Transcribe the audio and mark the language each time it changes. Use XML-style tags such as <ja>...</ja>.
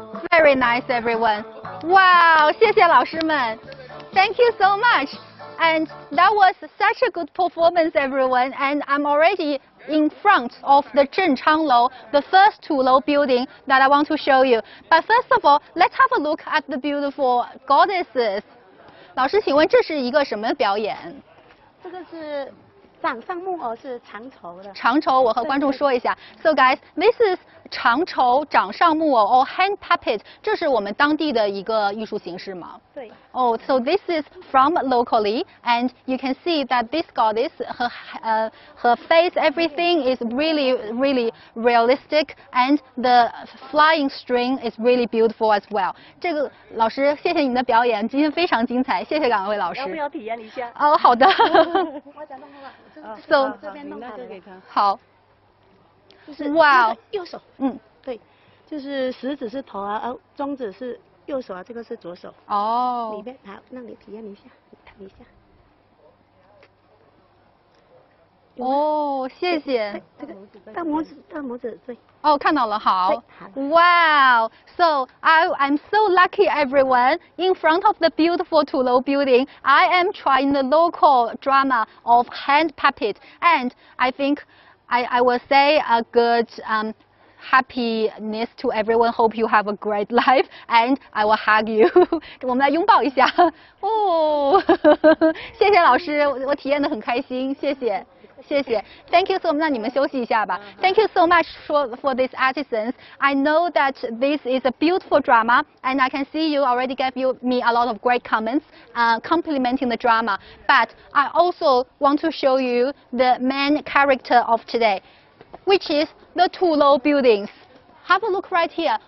<en>Very nice, everyone. Wow,</en> <zh>谢谢老师们.</zh> <en>Thank you so much. And that was such a good performance, everyone. And I'm already in front of the Zhengchang Lou, the first Tulou building that I want to show you. But first of all, let's have a look at the beautiful goddesses.</en> <zh>老师，请问这是一个什么表演？这个是掌上木偶，是长绸的。长绸，我和观众说一下。</zh> <en>So guys, this is</en> <zh>长绸掌上木偶</zh> <en>or hand puppet.</en> <zh>这是我们当地的一个艺术形式吗？对。</zh> <en>Oh, so this is from locally, and you can see that this goddess, her face, everything is really, really realistic, and the flying string is really beautiful as well.</en> <zh>这个老师，谢谢你的表演，今天非常精彩，谢谢两位老师。要不要体验一下？哦，好的。我想弄好了。So, 这边弄好了。好。就是右手。嗯，对，就是食指是头啊，中指是。右手啊，这个是左手。哦。里面，好，让你体验一下，你看一下。哦，谢谢。这个大拇指，大拇指，对。哦，看到了，好。好。</zh> <en>Wow, so I'm so lucky, everyone. In front of the beautiful Tulou building, I am trying the local drama of hand puppet, and I think I will say a good happiness to everyone. Hope you have a great life, and I will hug you.</en> <zh>我们来拥抱一下。哦，谢谢老师，我体验得很开心，谢谢。谢谢</zh> <en>，Thank you so much。那你们休息一下吧。Thank you so much for these artisans. I know that this is a beautiful drama, and I can see you already gave you me a lot of great comments, complimenting the drama. But I also want to show you the main character of today, which is the Tulou buildings. Have a look right here.</en>